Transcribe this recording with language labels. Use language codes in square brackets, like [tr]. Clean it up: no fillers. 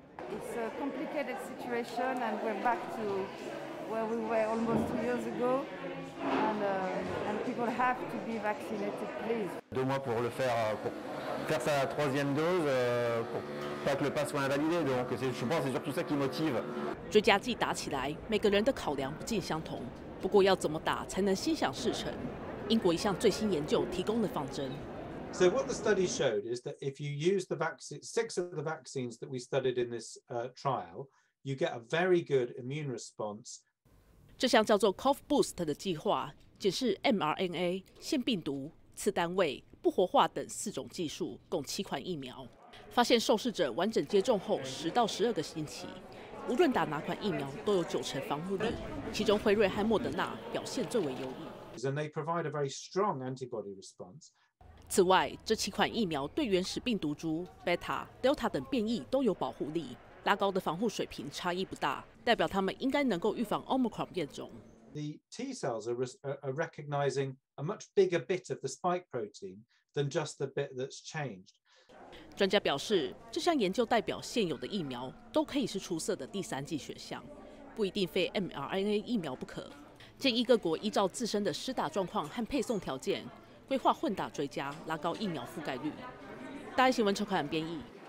[en] It's a complicated situation, and we're back to where we were almost 2 years ago, and people have to be vaccinated, please. [fr] 2 mois pour le faire, pour faire sa troisième dose, pour pas que le pass soit invalidé. Donc, je pense que c'est surtout ça qui motive. [zh] 追加剂打起来，每个人的考量不尽相同。不过要怎么打才能心想事成？英国一项最新研究提供了方针。 [en] So what the study showed is that if you use the vaccine, 6 of the vaccines that we studied in this trial, you get a very good immune response. [zh] 这项叫做 Cov Boost 的计划，解释 mRNA 腺病毒、次单位、不活化等4种技术，共7款疫苗，发现受试者完整接种后10到12个星期。无论打哪款疫苗都有90%防护力，其中辉瑞和莫德纳表现最为优异。 [en] And they provide a very strong antibody response. [zh] 此外，这7款疫苗对原始病毒株 Beta、Delta 等变异都有保护力，拉高的防护水平差异不大，代表他们应该能够预防 Omicron 变种。 [en] The T cells are recognizing a much bigger bit of the spike protein than just the bit that's changed. [zh] 专家表示，这项研究代表现有的疫苗都可以是出色的第三剂选项，不一定非 mRNA 疫苗不可。建议各国依照自身的施打状况和配送条件，规划混打追加，拉高疫苗覆盖率。大爱新闻车款编译。